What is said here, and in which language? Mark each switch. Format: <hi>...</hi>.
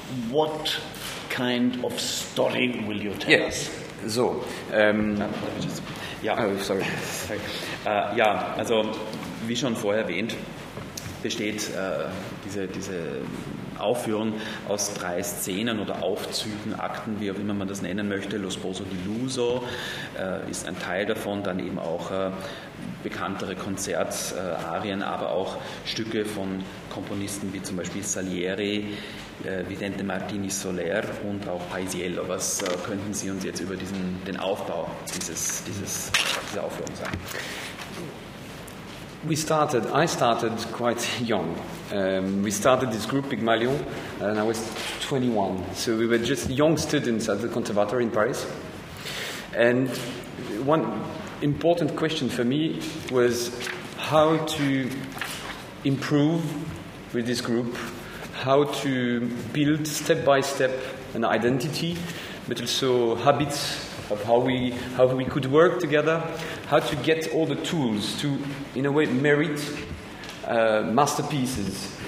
<en>What kind of story will you tell us?</en> <de>So, ja, also wie schon vorher erwähnt, besteht diese Aufführung aus 3 Szenen oder Aufzügen, Akten, wie auch immer man das nennen möchte. Lo Sposo di Luso ist ein Teil davon, dann eben auch bekanntere Konzertarien, aber auch Stücke von Komponisten wie zum Beispiel Salieri, Vicente Martini Soler und auch Paisiello. Was könnten Sie uns jetzt über den Aufbau dieser Aufführung sagen?</de> <en>I started quite young. We started this group Pygmalion and I was 21. So we were just young students at the Conservatory in Paris. And one important question for me was how to improve with this group, how to build step by step an identity, but also habits of how we could work together, how to get all the tools to, in a way, merit masterpieces.</en>